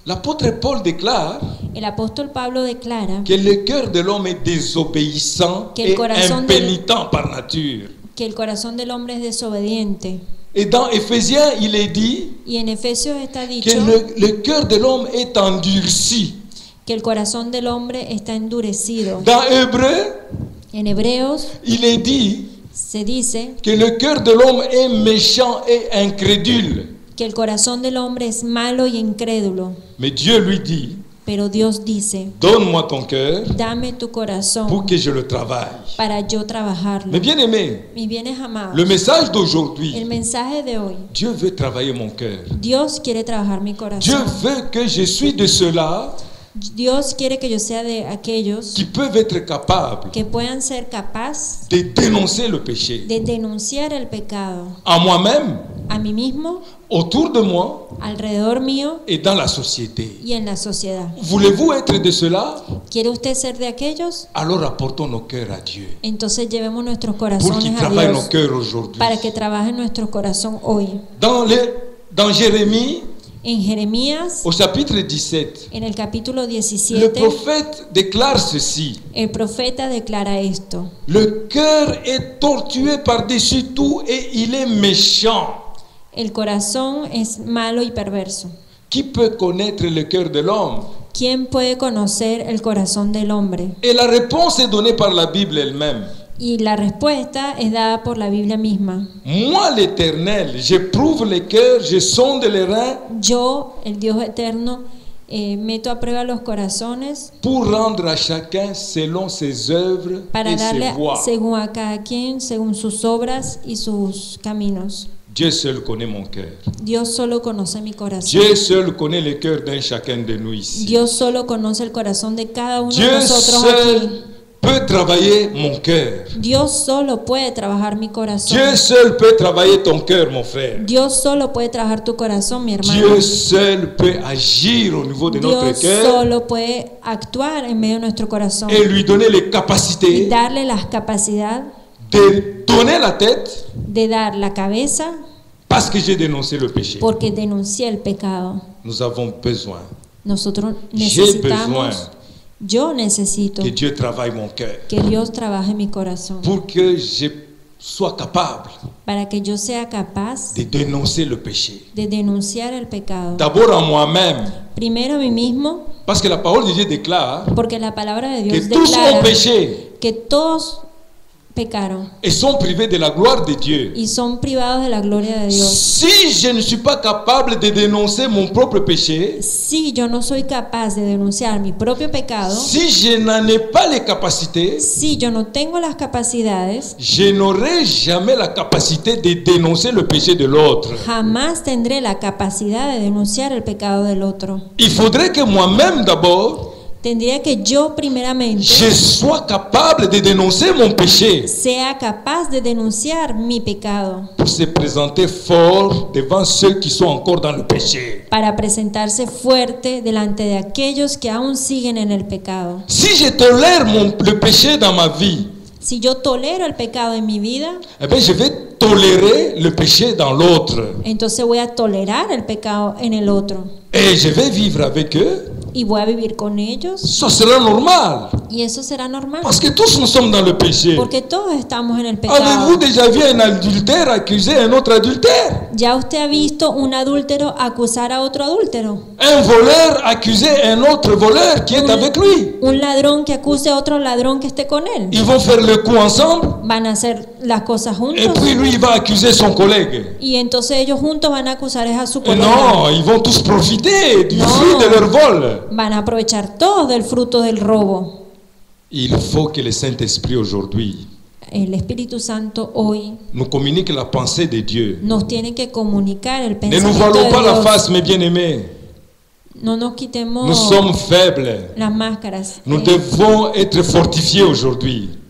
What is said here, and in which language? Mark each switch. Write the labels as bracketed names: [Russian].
[French] L'apôtre Paul déclare. [Spanish] El apóstol Pablo declara. [French] Que le cœur de l'homme est désobéissant et impénitent par nature. [Spanish] Que el corazón del hombre es desobediente. [French] Et dans Éphésiens, il est dit. [Spanish] Y en Efesios está dicho. [French] Que le cœur de l'homme est endurci. [Spanish] Que el corazón del hombre está endurecido. [French] Dans Hébreux, [Spanish] en Hebreos, [French] il est dit, [Spanish] se dice, [French] que le cœur de l'homme est méchant et incrédule. [Spanish] Que el corazón del hombre es malo y incrédulo. [French] Mais Dieu lui dit, [Spanish] pero Dios dice, [French] donne-moi ton cœur, [Spanish] dame tu corazón, [French] pour que je le travaille. [Spanish] Para yo trabajarlo. [French] Mais bien aimé, [Spanish] mis bienes amados, [French] le message d'aujourd'hui, [Spanish] el mensaje de hoy, [French] Dieu veut travailler mon cœur. [Spanish] Dios quiere trabajar mi corazón. [French] Dieu veut que je suis de cela. [Spanish] Dios quiere que yo sea de aquellos [French] qui peuvent être capables [Spanish] que puedan ser capaces [French] de dénoncer le péché, [Spanish] de denunciar el pecado [French] a moi-même, [Spanish] a mí mismo, [French] autour de moi, [Spanish] alrededor mío, [French] et dans la société. [Spanish] Y en la sociedad. [French] Voulez-vous être de cela? [Spanish] ¿Quiere usted ser de aquellos? [French] Alors apportons nos cœurs à Dieu. [Spanish] Entonces llevemos nuestros corazones [French] pour qu'il [Spanish] a Dios [French] travaille nos cœurs aujourd'hui. [Spanish] Para que trabaje nuestro corazón hoy. [French] Dans Jérémie, [Spanish] en Jeremías, [French] au chapitre 17, [Spanish] en el capítulo 17, [French] le prophète déclare ceci. [Spanish] El profeta declara esto. [French] Le cœur est tortué par-dessus tout et il est méchant. [Spanish] El corazón es malo y perverso. [French] Qui peut connaître le cœur de l'homme? [Spanish] ¿Quién puede conocer el corazón del hombre? [French] Et la réponse est donnée par la Bible elle-même. [Spanish] Y la respuesta es dada por la Biblia misma. [French] Moi, l'Éternel, j'éprouve les cœurs, je sonde les reins. [Spanish] Yo, el Dios eterno, meto a prueba los corazones. [French] Pour rendre à chacun selon ses œuvres et ses voies. [Spanish] Para darle según a cada quien, según sus obras y sus caminos. [French] Dieu seul connaît mon cœur. [Spanish] Dios solo conoce mi corazón. [French] Dieu seul connaît le cœur d'un chacun de nous ici. [Spanish] Dios solo conoce el corazón de cada uno [French] Dieu [Spanish] de nosotros [French] seul [Spanish] aquí. [French] Peut travailler mon cœur. [Spanish] Dios solo puede trabajar mi corazón. [French] Dieu seul peut travailler ton cœur, mon frère. [Spanish] Dios solo puede trabajar tu corazón, mi hermano. [French] Dieu seul peut agir au niveau de [Spanish] Dios [French] notre cœur. [Spanish] Dios solo puede actuar en medio de nuestro corazón. [French] Et lui donner les capacités. [Spanish] Y darle las capacidades. [French] De donner la tête. [Spanish] De dar la cabeza. [French] Parce que j'ai dénoncé le péché. [Spanish] Porque denuncié el pecado. [French] Nous avons besoin. [Spanish] Nosotros necesitamos. Yo necesito [French] que Dieu travaille mon cœur. [Spanish] Que Dios trabaje mi corazón. [French] Pour que je sois capable. [Spanish] Para que yo sea capaz. [French] De dénoncer le péché. [Spanish] De denunciar el pecado. [French] D'abord en moi-même. [Spanish] Primero a mí mismo. [French] Parce que la parole de Dieu déclare. [Spanish] Porque la palabra de Dios que declara. [French] Que tous ont péché. [Spanish] Que todos pecaron. [French] Et sont privés de la gloire de Dieu. [Spanish] Y son privados de la gloria de Dios. [French] Si je ne suis pas capable de dénoncer mon propre péché. [Spanish] Si yo no soy capaz de denunciar mi propio pecado. [French] Si je n'en ai pas les capacités. [Spanish] Si yo no tengo las capacidades. [French] Je n'aurai jamais la capacité de dénoncer le péché de l'autre. [Spanish] Jamás tendré la capacidad de denunciar el pecado del otro. [French] Il faudrait que moi-même d'abord. [Spanish] tendría que yo primeramente [French] je sois capable de dénoncer mon péché [Spanish] sea capaz de denunciar mi pecado [French] pour se présenter fort devant ceux qui sont encore dans le péché [Spanish] para presentarse fuerte delante de aquellos que aún siguen en el pecado [French] si je tolère le péché dans ma vie [Spanish] si yo tolero el pecado en mi vida [French] eh bien, je vais tolérer le péché dans l'autre [Spanish] entonces voy a tolerar el pecado en el otro [French] et je vais vivre avec eux [Spanish] y voy a vivir con ellos [French] ça sera normal [Spanish] y eso será normal [French] parce que tous nous sommes dans le péché [Spanish] porque todos estamos en el pecado [French] avez-vous déjà vu un adultère accuser un autre adultère [Spanish] ya usted ha visto un adúltero acusar a otro adúltero [French] un voleur accuser un autre voleur qui est avec lui [Spanish] un ladrón que acuse a otro ladrón que esté con él [French] ils vont faire le coup ensemble [Spanish] van a hacer las cosas juntos [French] et puis lui il va accuser son collègue [Spanish] y entonces ellos juntos van a acusar a su [French] collègue non ils vont tous profiter du fruit de leur vol [Spanish] van a aprovechar todos del fruto del robo. [French] Il faut que le Saint-Esprit aujourd'hui [Spanish] el Espíritu Santo hoy [French] nous communique la pensée de Dieu. [Spanish] Nos tiene que comunicar el pensamiento de [French] Dios. Ne nous voilons pas la face, mes bien-aimés. [Spanish] No nos quitemos [French] nous sommes faibles. [Spanish] Las máscaras. [French] Nous devons être fortifiés aujourd'hui.